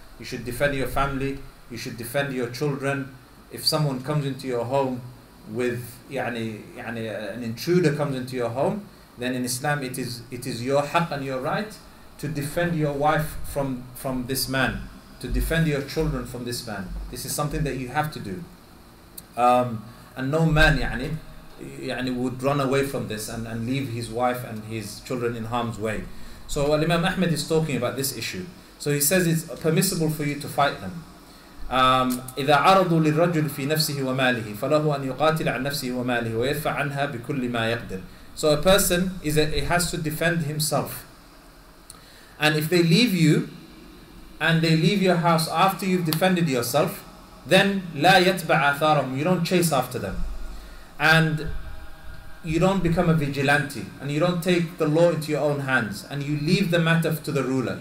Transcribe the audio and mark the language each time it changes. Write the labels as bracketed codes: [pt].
[en] You should defend your family, you should defend your children. If someone comes into your home with, an intruder comes into your home, then in Islam it is your haqq and your right to defend your wife from this man, to defend your children from this man. This is something that you have to do. And no man, يعني would run away from this and leave his wife and his children in harm's way. So Imam Ahmed is talking about this issue. So he says it's permissible for you to fight them. [ar] إذا عرضوا للرجل في نفسه وماله فله أن يقاتل عن نفسه وماله ويدفع عنها بكل ما يقدر. [en] So a person has to defend himself. And if they leave you and they leave your house after you've defended yourself, then [ar] لا يتبع آثارهم, [en] you don't chase after them. And you don't become a vigilante, and you don't take the law into your own hands, and you leave the matter to the ruler.